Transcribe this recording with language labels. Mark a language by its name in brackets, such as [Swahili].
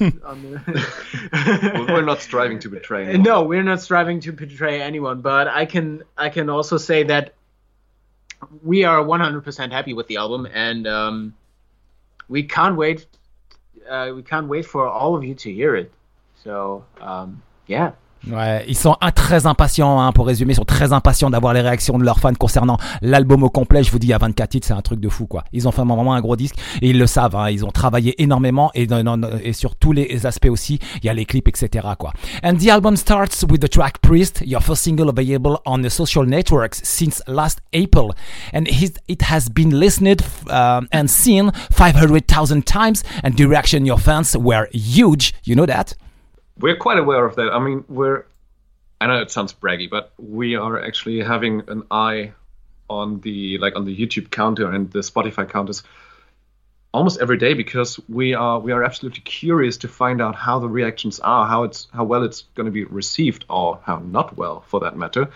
[English] We're not striving to betray anyone. No, we're not striving to betray anyone, but I can also say that we are 100% happy with the album, and we can't wait for all of you to hear it. So [French] Ouais, ils sont très impatients, hein, pour résumer, ils sont très impatients d'avoir les réactions de leurs fans concernant l'album au complet. Je vous dis, il y a 24 titres, c'est un truc de fou, quoi. Ils ont fait vraiment un gros disque et ils le savent, hein, ils ont travaillé énormément et sur tous les aspects aussi, il y a les clips, etc., quoi. [English] And the album starts with the track Priest, your first single available on the social networks since last April. And it has been listened and seen 500,000 times and the reaction your fans were huge, you know that? We're quite aware of that. I mean, we're, I know it sounds braggy, but we are actually having an eye on the, like, on the YouTube counter and the Spotify counters almost every day, because we are absolutely curious to find out how the reactions are, how well it's going to be received, or how not well for that matter.